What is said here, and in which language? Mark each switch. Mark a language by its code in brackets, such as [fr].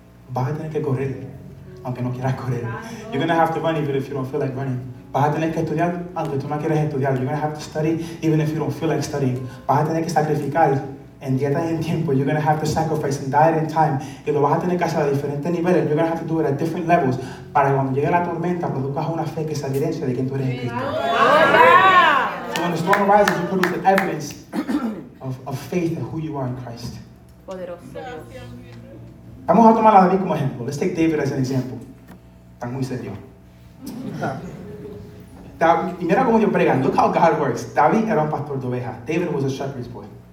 [es] Vas a tener que correr aunque no quieras correr. [en] You're going to have to run even if you don't feel like running. [es] Vas a tener que estudiar aunque tú no quieras estudiar. [en] You're going to have to study even if you don't feel like studying. [es] Vas a tener que sacrificar en dieta y en tiempo. [en] You're going to have to sacrifice in diet and time. [es] Y lo vas a tener que hacer a diferentes niveles. [en] You're going to have to do it at different levels. [es] Para cuando llegue la tormenta, produzcas una fe que es evidencia de quien tú eres en Cristo. [en] So when the storm arises, you produce the evidence of faith of who you are in Christ. [es] Poderoso. Vamos a tomar a David como ejemplo. [en] Let's take David as an example. [es] Tan muy serio. Y mira cómo Dios prega. [en] Look how God works. [es] David era un pastor de ovejas. [en] David was a shepherd's boy.